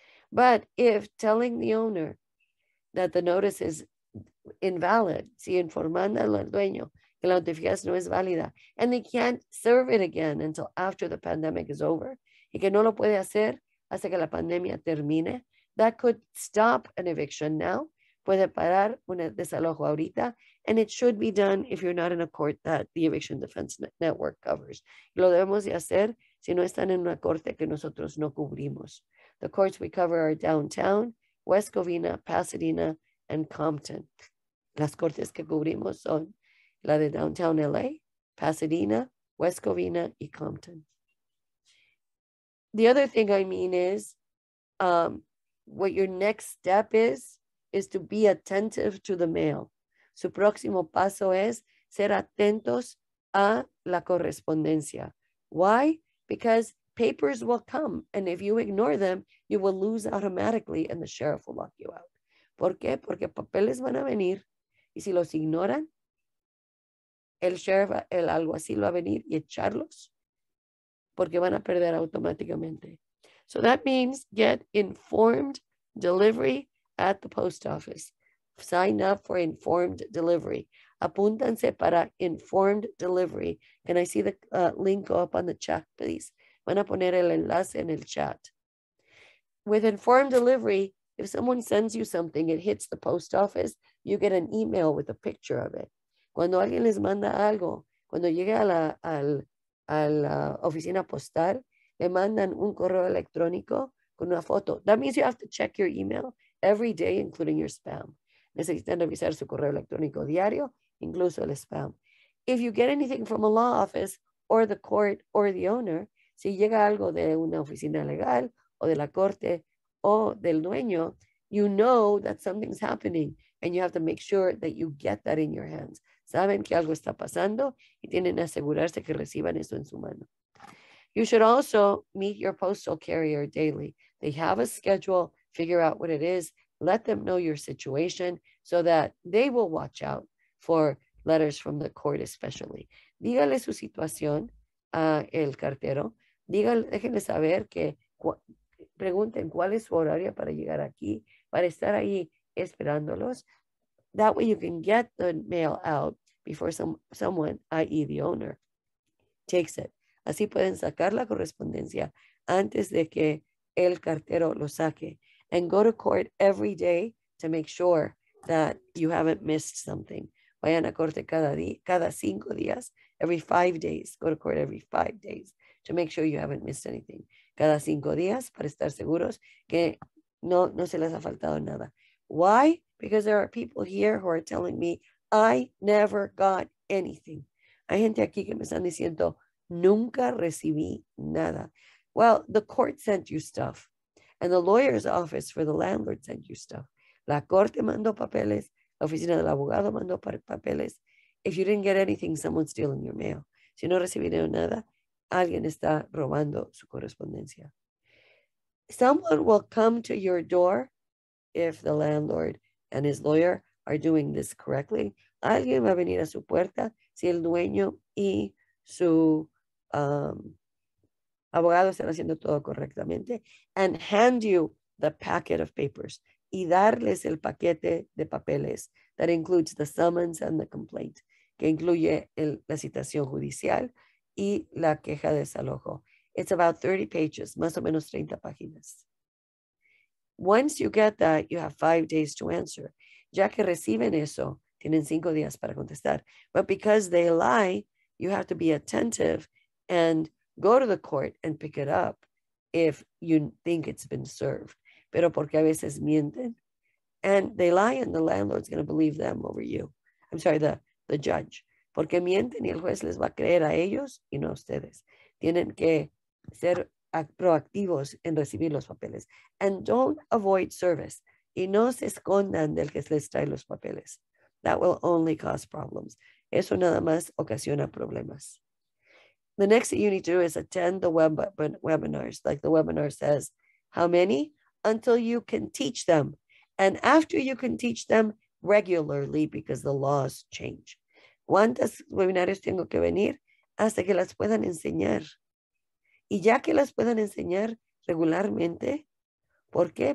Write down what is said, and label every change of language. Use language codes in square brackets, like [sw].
[en] But if telling the owner that the notice is invalid, [es] si informando al dueño que la notificación no es válida, [en] and they can't serve it again until after the pandemic is over, [es] y que no lo puede hacer hasta que la pandemia termine, [en] that could stop an eviction now. [es] Puede parar un desalojo ahorita, [en] and it should be done if you're not in a court that the Eviction Defense Network covers. [es] Lo debemos de hacer si no están en una corte que nosotros no cubrimos. [en] The courts we cover are downtown, West Covina, Pasadena, and Compton. [es] Las cortes que cubrimos son la de downtown LA, Pasadena, West Covina, y Compton. [en] The other thing I mean is, what your next step is to be attentive to the mail. [es] Su próximo paso es ser atentos a la correspondencia. [en] Why? Because papers will come, and if you ignore them, you will lose automatically, and the sheriff will lock you out. [es] ¿Por qué? Porque papeles van a venir, y si los ignoran, el sheriff, el alguacil va a venir y echarlos, porque van a perder automáticamente. [en] So that means get informed delivery at the post office. Sign up for informed delivery. [es] Apúntense para Informed Delivery. [en] Can I see the link up on the chat, please? [es] Van a poner el enlace en el chat. [en] With Informed Delivery, if someone sends you something, it hits the post office, you get an email with a picture of it. [es] Cuando alguien les manda algo, cuando llega a la oficina postal, le mandan un correo electrónico con una foto. [en] That means you have to check your email every day, including your spam. [es] Necesitan revisar su correo electrónico diario, incluso el spam. [en] If you get anything from a law office or the court or the owner, [es] si llega algo de una oficina legal o de la corte o del dueño, [en] you know that something's happening and you have to make sure that you get that in your hands. [es] Saben que algo está pasando y tienen que asegurarse que reciban eso en su mano. [en] You should also meet your postal carrier daily. They have a schedule, figure out what it is, let them know your situation so that they will watch out for letters from the court especially. [es] Dígale su situación a el cartero. Dígale, déjenle saber que pregunten cuál es su horario para llegar aquí, para estar ahí esperándolos. [en] That way you can get the mail out before someone, i.e. the owner, takes it. [es] Así pueden sacar la correspondencia antes de que el cartero lo saque. [en] And go to court every day to make sure that you haven't missed something. [es] Vayan a corte cada cinco días, [en] every 5 days. Go to court every 5 days to make sure you haven't missed anything. [es] Cada cinco días para estar seguros que no se les ha faltado nada. [en] Why? Because there are people here who are telling me, I never got anything. [es] Hay gente aquí que me están diciendo, nunca recibí nada. [en] Well, the court sent you stuff. And the lawyer's office for the landlord sent you stuff. [es] La corte mandó papeles. La oficina del abogado mandó papeles. [en] If you didn't get anything, someone's stealing your mail. [es] Si no recibieron nada, alguien está robando su correspondencia. [en] Someone will come to your door if the landlord and his lawyer are doing this correctly. [es] Alguien va a venir a su puerta si el dueño y su abogado están haciendo todo correctamente, [en] and hand you the packet of papers [es] y darles el paquete de papeles [en] that includes the summons and the complaint, [es] que incluye la citación judicial y la queja de desalojo. [en] It's about 30 pages, [es] más o menos 30 páginas. [en] Once you get that, you have 5 days to answer. [es] Ya que reciben eso, tienen 5 días para contestar. [en] But because they lie, you have to be attentive and go to the court and pick it up if you think it's been served. [es] Pero porque a veces mienten. [en] And they lie and the landlord's going to believe them over you. I'm sorry, the judge. [es] Porque mienten y el juez les va a creer a ellos y no a ustedes. Tienen que ser proactivos en recibir los papeles. [en] And don't avoid service. [es] Y no se escondan del que les trae los papeles. [en] That will only cause problems. [es] Eso nada más ocasiona problemas. [en] The next thing you need to do is attend the webinars. Like the webinar says, how many? Until you can teach them. And after you can teach them regularly because the laws change. [es] ¿Cuántos webinarios tengo que venir? Hasta que las puedan enseñar. Y ya que las puedan enseñar regularmente, ¿por qué?